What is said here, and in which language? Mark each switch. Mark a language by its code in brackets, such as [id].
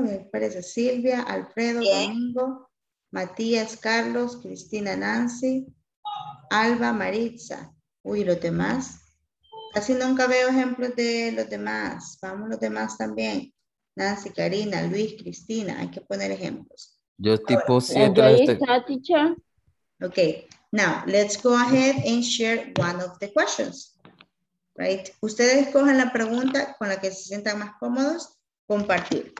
[es] Me parece Silvia, Alfredo, bien. Domingo, Matías, Carlos, Cristina, Nancy, Alba, Maritza. Uy, los demás. Casi nunca veo ejemplos de los demás. Vamos los demás también. Nancy, Karina, Luis, Cristina. Hay que poner ejemplos. Yo tipo siete. [en] Okay, now let's go ahead and share one of the questions. Right? [es] Ustedes escogen la pregunta con la que se sientan más cómodos, compartir.